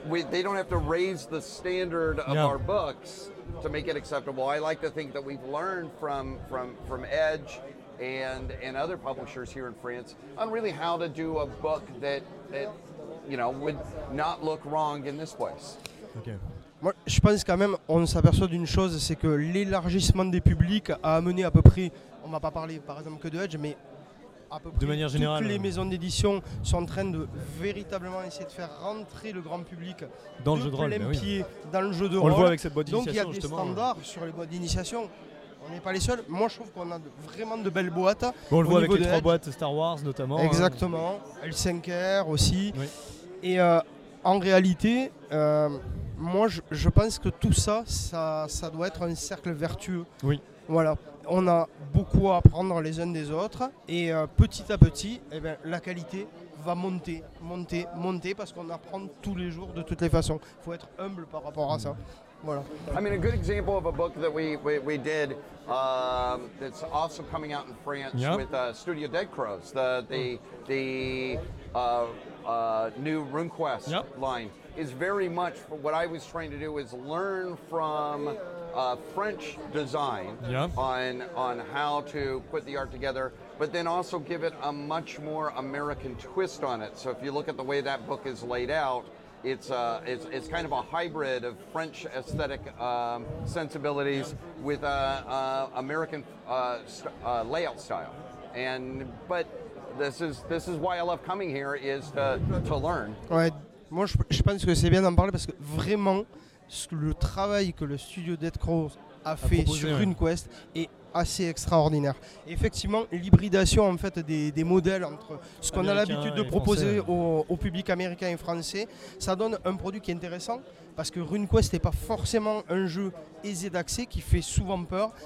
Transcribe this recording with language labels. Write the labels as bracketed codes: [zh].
[en] They don't have to raise the standard of our books to make it acceptable. I like to think that we've learned from Edge and other publishers here in France on really how to do a book that you know, would not look wrong in this place. Okay. [fr] Moi, je pense quand même on s'aperçoit d'une chose, c'est que l'élargissement des publics a amené à peu près, on va pas parler par exemple que de Edge, mais à peu près de manière générale, toutes les maisons d'édition sont en train de véritablement essayer de faire rentrer le grand public dans le jeu de rôle, dans le jeu de rôle. On le voit avec cette boîte d'initiation, justement. Donc il y a des standards sur les boîtes d'initiation. On n'est pas les seuls. Moi, je trouve qu'on a vraiment de belles boîtes. Bon, on le voit avec les trois boîtes Star Wars, notamment. Exactement. Hein. L5R aussi. Oui. Et en réalité... moi, je pense que tout ça, ça doit être un cercle vertueux. Oui. Voilà. On a beaucoup à apprendre les uns des autres. Et petit à petit, eh ben, la qualité va monter, parce qu'on apprend tous les jours de toutes les façons. Il faut être humble par rapport à ça. Voilà. [en] I mean, a good example of a book that we did that's also coming out in France with Studio Dead Crows, new RuneQuest line. Is very much what I was trying to do is learn from French design on how to put the art together, but then also give it a much more American twist on it. So if you look at the way that book is laid out, it's kind of a hybrid of French aesthetic sensibilities with American layout style. But this is why I love coming here is to learn. Right. [fr] Moi, je pense que c'est bien d'en parler parce que vraiment, le travail que le studio Dead Crows a fait sur RuneQuest est assez extraordinaire. Et effectivement, l'hybridation en fait, des modèles entre ce qu'on a l'habitude de proposer au public américain et français, ça donne un produit qui est intéressant parce que RuneQuest n'est pas forcément un jeu aisé d'accès qui fait souvent peur.